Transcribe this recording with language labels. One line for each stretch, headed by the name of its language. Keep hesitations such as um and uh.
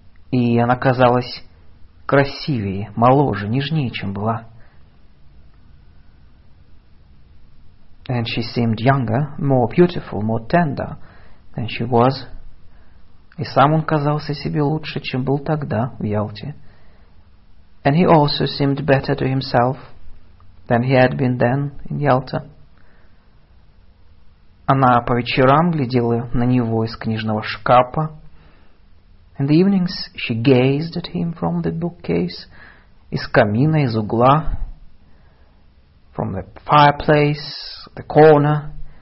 Russian: И она казалась красивее, моложе, нежнее, чем была.
English: And she seemed younger, more beautiful, more tender than she was.
Russian: И сам он казался себе лучше, чем был тогда в Ялте.
English: And he also seemed better to himself than he had been then in Yalta.
Russian: — она по вечерам глядела на него из книжного шкафа.
English: In the evenings she gazed at him from the bookcase,
Russian: из камина, из угла,
English: from the fireplace, the corner.